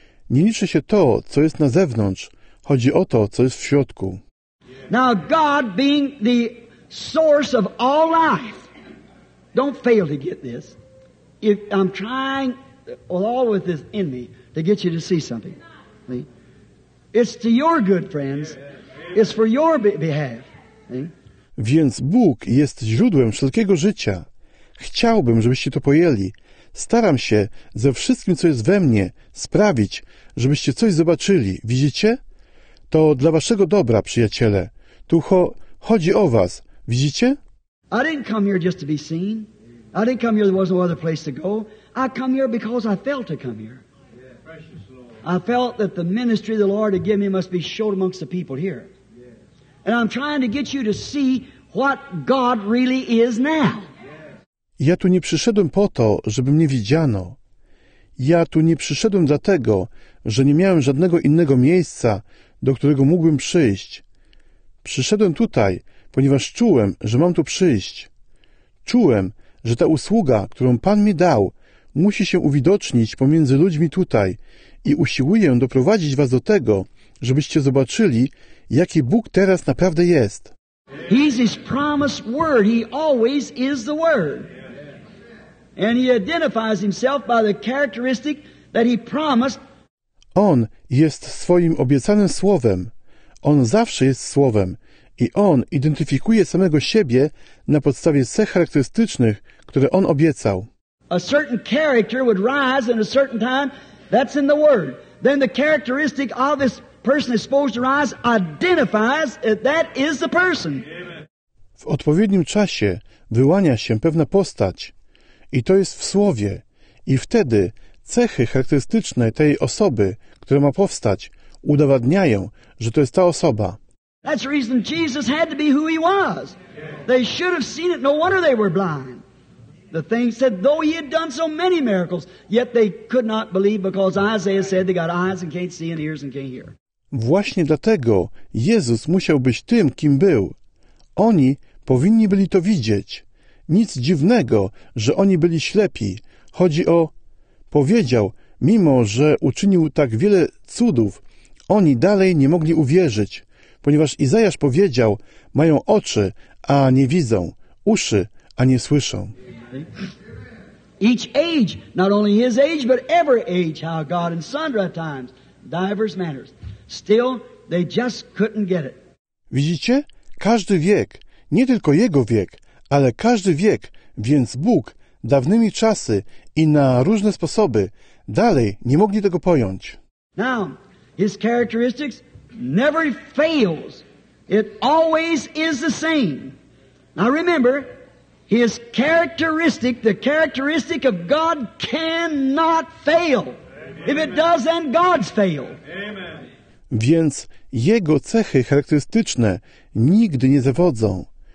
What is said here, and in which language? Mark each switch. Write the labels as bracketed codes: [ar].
[pl] Nie liczy się to, co jest na zewnątrz, chodzi o to, co jest w środku. [en] Now God being the source of all life, don't fail to get this. If I'm trying all with this in me to get you to see something. It's to your good, friends. It's for your behalf. [pl] Więc Bóg jest źródłem wszelkiego życia. Chciałbym, żebyście to pojęli. Staram się ze wszystkim, co jest we mnie, sprawić, żebyście coś zobaczyli. Widzicie? To dla waszego dobra, przyjaciele. Tu chodzi o was. Widzicie? [en] I didn't come here just to be seen. I didn't come here, there was no other place to go. I come here because I felt to come here. I felt that the ministry the Lord had given me must be showed amongst the people here. And I'm trying to get you to see what God really is now. [pl] Ja tu nie przyszedłem po to, żeby mnie widziano. Ja tu nie przyszedłem dlatego, że nie miałem żadnego innego miejsca, do którego mógłbym przyjść. Przyszedłem tutaj, ponieważ czułem, że mam tu przyjść. Czułem, że ta usługa, którą Pan mi dał, musi się uwidocznić pomiędzy ludźmi tutaj i usiłuję doprowadzić was do tego, żebyście zobaczyli, jaki Bóg teraz naprawdę jest. [en] He's his promised word. He always is the word. And he identifies himself by the characteristic that he promised. [pl] On jest swoim obiecanym słowem. On zawsze jest słowem. I on identyfikuje samego siebie na podstawie cech charakterystycznych, które on obiecał. [en] A certain character would rise in a certain time. That's in the word. Then the characteristic of this person is supposed to rise identifies that is the person. [pl] W odpowiednim czasie wyłania się pewna postać i to jest w słowie i wtedy cechy charakterystyczne tej osoby, która ma powstać, udowadniają, że to jest ta osoba. [en] That's the reason Jesus had to be who he was. They should have seen it, no wonder they were blind. The thing said, though he had done so many miracles, yet they could not believe because Isaiah said they got eyes and can't see and ears and can't hear. [pl] Właśnie dlatego Jezus musiał być tym, kim był. Oni powinni byli to widzieć. Nic dziwnego, że oni byli ślepi. Chodzi o... Powiedział, mimo że uczynił tak wiele cudów, oni dalej nie mogli uwierzyć, ponieważ Izajasz powiedział, mają oczy, a nie widzą, uszy, a nie słyszą. [en] Each age, not only his age, but every age, how God in sundry times, diverse manners, still they just couldn't get it. [pl] Widzicie? Każdy wiek, nie tylko jego wiek, ale każdy wiek, więc Bóg, dawnymi czasy i na różne sposoby, dalej nie mogli tego pojąć. [en] Now, his characteristics never fails. It always is the same. Now remember, his characteristic, the characteristic of God cannot fail. If it does, then God's failed. [pl] Więc jego cechy charakterystyczne nigdy nie zawodzą.